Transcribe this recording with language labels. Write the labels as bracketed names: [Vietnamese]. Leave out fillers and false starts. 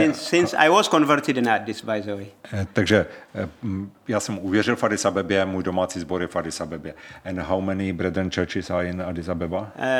[English] since I was converted in Addis, by the way. [Czech] Takže já jsem uvěřil v Addis Abebě, můj domácí sbor je v Addis Abebě. [English] And how many brethren churches are in Addis Abeba?